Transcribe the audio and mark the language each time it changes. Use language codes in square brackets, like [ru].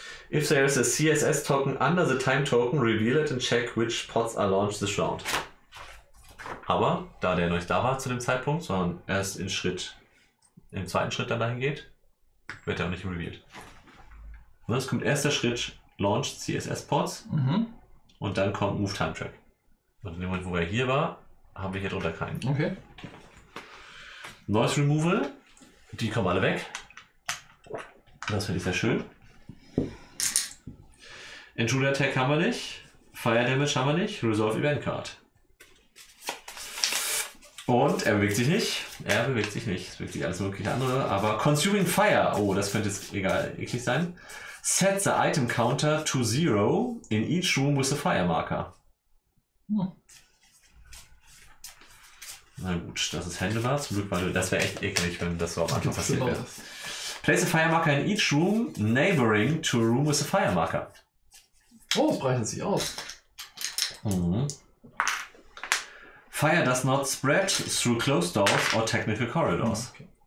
[en] If there is a CSS token under the time token, reveal it and check which pots are launched this round. [de] Aber, da der noch nicht da war zu dem Zeitpunkt, sondern erst in Schritt, im zweiten Schritt dann dahin geht, wird er auch nicht revealed. Und es kommt erst der Schritt Launch CSS Pots und dann kommt Move Time Track. Und in dem Moment, wo er hier war, haben wir hier drunter keinen. Okay. Noise Removal, die kommen alle weg. Das finde ich sehr schön. Intruder Attack haben wir nicht, Fire Damage haben wir nicht, Resolve Event Card. Und er bewegt sich nicht, er bewegt sich nicht, es bewegt sich alles mögliche andere, aber Consuming Fire, oh, das könnte jetzt egal, eklig sein. [en] Set the Item Counter to Zero in each room with a Fire Marker. Hm. [de] Na gut, das ist handelbar, zum Glück, weil das wäre echt eklig, wenn das so am Anfang passiert wäre. [en] Place a Fire Marker in each room neighboring to a room with a Fire Marker. [de] Oh, es breitet sich aus. [en] Mhm. Fire does not spread through closed doors or technical corridors. Okay.